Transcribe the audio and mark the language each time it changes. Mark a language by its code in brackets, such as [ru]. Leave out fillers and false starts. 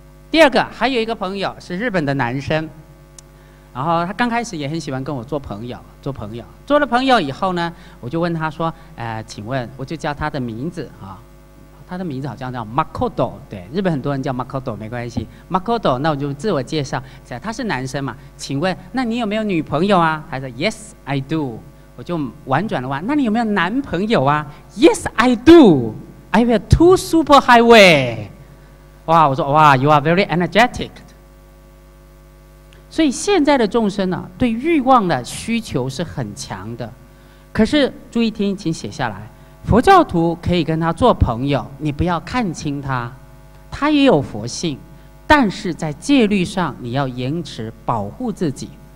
[zh] 第二个还有一个朋友是日本的男生，然后他刚开始也很喜欢跟我做朋友，做朋友做了朋友以后呢，我就问他说请问，我就叫他的名字啊，他的名字好像叫 Makoto， 对，日本很多人叫 Makoto， 没关系 Makoto， 那我就自我介绍，他是男生嘛，请问那你有没有女朋友啊？他说 [en] Yes I do。 [zh] 我就婉转的问，那你有没有男朋友啊？ [en] Yes I do， I have two super highway。 [zh] 哇，我说哇 [en] ，You are very energetic。 [zh] 所以现在的众生呢、啊，对欲望的需求是很强的。可是注意听，请写下来。佛教徒可以跟他做朋友，你不要看轻他，他也有佛性，但是在戒律上你要严持保护自己。